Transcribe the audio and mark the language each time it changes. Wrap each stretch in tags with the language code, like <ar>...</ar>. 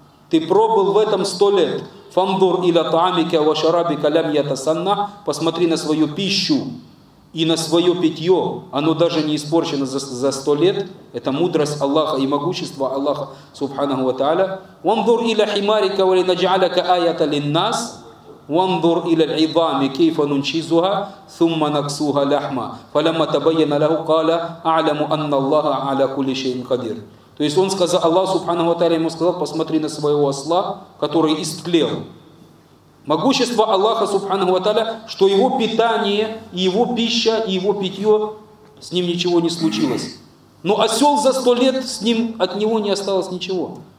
<ru>Ты пробыл в этом 100 лет.</ru> <ar>«Фандур иля таамика ва шарабика лям ятасанна».</ar> <ru>Посмотри на свою пищу и на свое питье. Оно даже не испорчено за 100 лет. Это мудрость Аллаха и могущество Аллаха Субханаху ва Тааля.</ru> <ar>«Вандур иля химарика ва линаджаляка аята линнас». وانظر الى العظام كيف ننشزها ثم نكسوها لحما فلما تبين له قال اعلم ان الله على كل شيء قدير.</ar> <ru>То есть он сказал, Аллах Субханаху ва Тааля ему сказал, посмотри на своего осла, который истлел. Могущество Аллаха Субханаху ва Тааля, что его питание, его пища, его питье, с ним ничего не случилось. Но осел за 100 лет, с ним от него не осталось ничего.</ru>